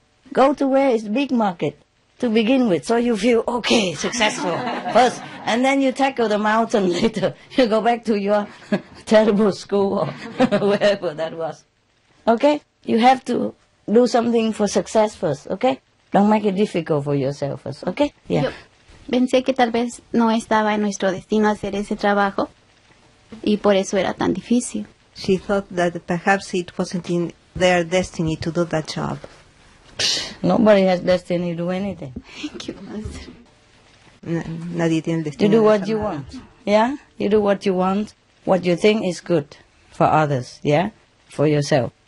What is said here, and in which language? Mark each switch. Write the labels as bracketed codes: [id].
[en] Go to where it's big market to begin with, so you feel, okay, successful first. And then you tackle the mountain later. You go back to your terrible school or wherever that was. Okay? You have to do something for success first, okay? Don't make it difficult for yourself first, okay? Yeah. [es] Pensé que tal vez no estaba en nuestro destino hacer ese trabajo y por eso era tan difícil. [en] She thought that perhaps it wasn't in their destiny to do that job. Nobody has destiny to do anything. Thank you, Master. [es] Nadie tiene el destino. [en] You do what you want, yeah? You do what you want, what you think is good for others, yeah? For yourself.